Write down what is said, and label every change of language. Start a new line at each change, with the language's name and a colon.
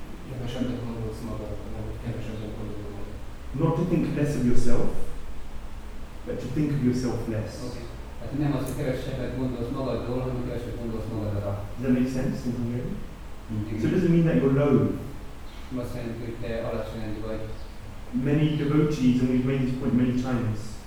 Hungarian: Kevesebbet gondolsz magadról, nem hogy kevesebbet gondolsz magadról.
English: Not to think less of yourself, but to think of yourself less. Okay.
Hungarian: Tehát nem az, hogy kevesebbet gondolsz magadról, hanem kevesebbet gondolsz magadra.
English: Does that make sense in Hungarian? Mm-hmm. So it doesn't mean that you're low.
Hungarian: Nem azt jelenti, hogy te alacsony vagy.
English: Many devotees, and we've made this point many times.